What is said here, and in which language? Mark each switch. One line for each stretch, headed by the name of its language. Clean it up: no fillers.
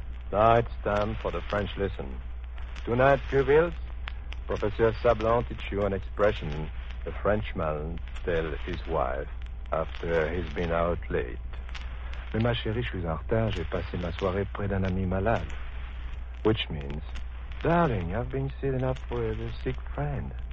English: Now it's time for the French lesson. Tonight, pupils, Professor Sablon teach you an expression the Frenchman tells his wife after he's been out late.
French: Mais ma chérie, je suis en retard, j'ai passé ma soirée près d'un ami malade.
English: Which means, darling, I've been sitting up with a sick friend.